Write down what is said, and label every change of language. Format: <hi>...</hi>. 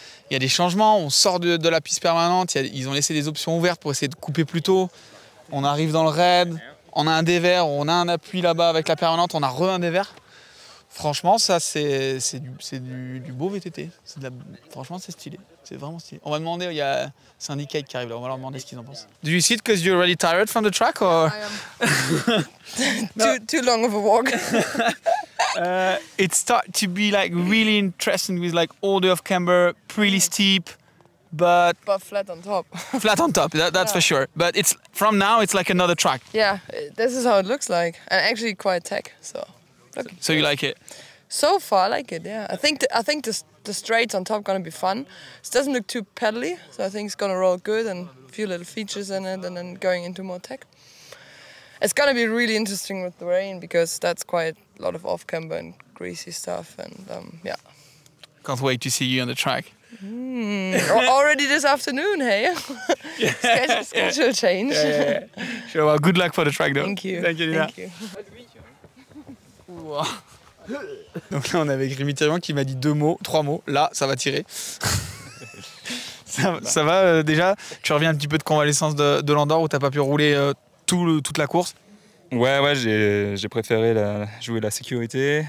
<fr>Il y a des changements, on sort de la piste permanente, ils ont laissé des options ouvertes pour essayer de couper plus tôt. On arrive dans le raid, on a un dévers, on a un appui là-bas avec la permanente, on a re un dévers. Franchement, ça, c'est du beau VTT. Franchement, c'est stylé. C'est vraiment stylé. On va demander, il y a Syndicate qui arrive là. On va leur demander ce qu'ils en pensent.</fr> <en>Do you sit because you're really tired from the track or? I am. too long of a walk. It start to be like really interesting with like all the off-camber, pretty steep, but... But flat on top. Flat on top, that's for sure. But it's from now, it's like another track. Yeah, this is how it looks like. And actually quite tech, so... Okay. So you like it? So far, I like it. Yeah, I think the straights on top gonna be fun. It doesn't look too pedally, so I think it's gonna roll good and a few little features in it, and then going into more tech. It's gonna be really interesting with the rain because that's quite a lot of off camber and greasy stuff, and yeah. Can't wait to see you on the track. Already this afternoon, hey? schedule change. Yeah. Sure. Well, good luck for the track, though. Thank you. Wow.</en> <fr>Donc là, on est avec Rémi Thirion qui m'a dit deux mots, trois mots. Là, ça va tirer. ça va déjà. Tu reviens un petit peu de convalescence de l'Andorre où t'as pas pu rouler toute la course. Ouais, j'ai préféré jouer la sécurité.</fr>